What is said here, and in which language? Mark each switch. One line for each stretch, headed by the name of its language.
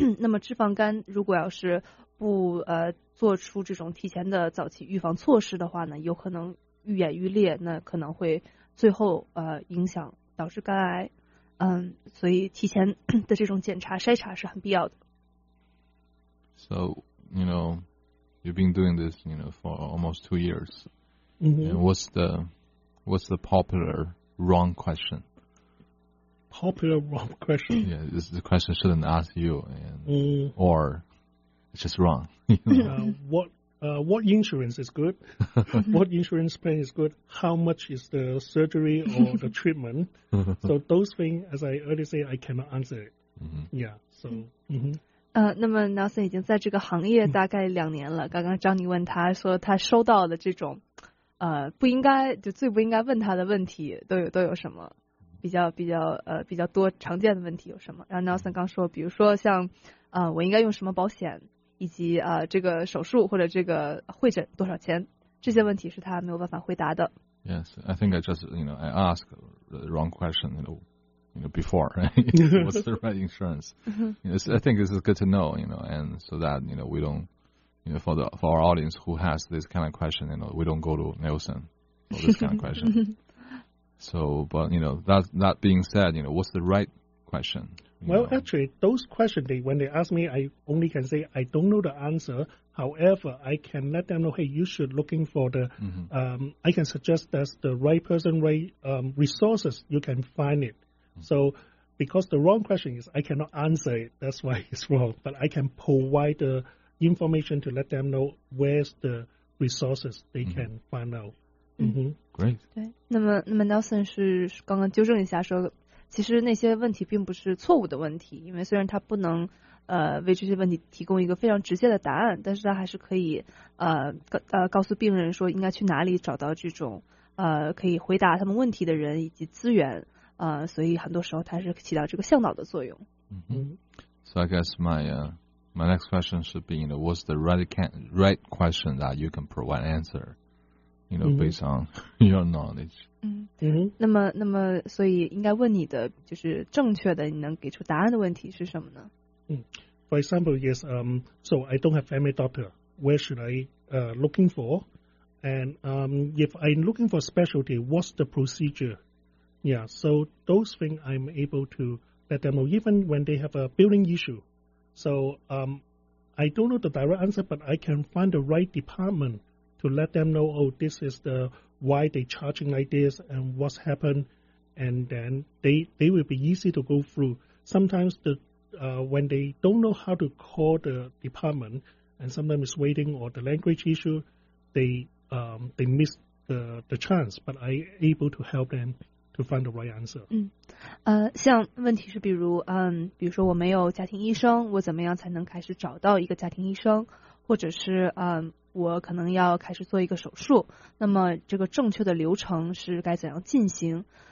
Chinese: 那么脂肪肝如果要是不做出这种提前的早期预防措施的话呢，有可能愈演愈烈，那可能会最后影响导致肝癌。所以提前的这种检查筛查是很必要的。
English: So, you know, You've been doing this, you know, for almost 2 years. Mm-hmm. And what's the popular wrong question? Popular wrong question? Yeah, this is a question I shouldn't ask you, or it's just wrong. You know? What insurance is good? What insurance plan is good? How much is the surgery or the treatment? So those things, as I already say, I cannot answer it. Mm-hmm. Yeah, so... Mm-hmm.
Chinese: 那么 Nelson 已经在这个行业大概两年了。刚刚张妮问他说，他收到的这种，不应该就最不应该问他的问题都有什么？比较多常见的问题有什么？然后 Nelson 刚说，比如说像，我应该用什么保险，以及这个手术或者这个会诊多少钱？这些问题是他没有办法回答的。
English: Yes, I think I just I asked the wrong question. You know, before, right? What's the right insurance? Mm-hmm. You know, I think this is good to know, and so that, we don't, for our audience who has this kind of question, we don't go to Nelson for this kind of question. So, but, that being said, what's the right question? Actually, those questions, when they ask me, I only can say, I don't know the answer. However, I can let them know, hey, you should looking for the, I can suggest that's the right person, right resources, you can find it. So, because the wrong question is, I cannot answer it, that's why it's wrong. But I can provide the information to let them know where's the resources they can find out. Mm-hmm. Great.
Chinese: 对，那么 Nelson 是刚刚纠正一下说，其实那些问题并不是错误的问题，因为虽然他不能为这些问题提供一个非常直接的答案，但是他还是可以告诉病人说应该去哪里找到这种可以回答他们问题的人以及资源。所以很多时候它是起到这个向导的作用。 Mm-hmm.
English: So I guess my next question should be, what's the right question that you can provide answer, based on your knowledge. 嗯、mm-hmm.
Chinese: 那么所以应该问你的就是正确的你能给出答案的问题是什么呢？嗯、
English: for example, yes, so I don't have family doctor. Where should I looking for? And if I'm looking for specialty, what's the procedure? Yeah, so those things I'm able to let them know, even when they have a billing issue. So I don't know the direct answer, but I can find the right department to let them know, oh, this is the why they're charging like this and what's happened. And then they will be easy to go through. Sometimes when they don't know how to call the department and sometimes it's waiting or the language issue, they miss the chance, but I able to help them. To find the right answer.
Chinese: 嗯，像问题是比如，比如说我没有家庭医生，我怎么样才能开始找到一个家庭医生？或者是，我可能要开始做一个手术，那么这个正确的流程是该怎样进行？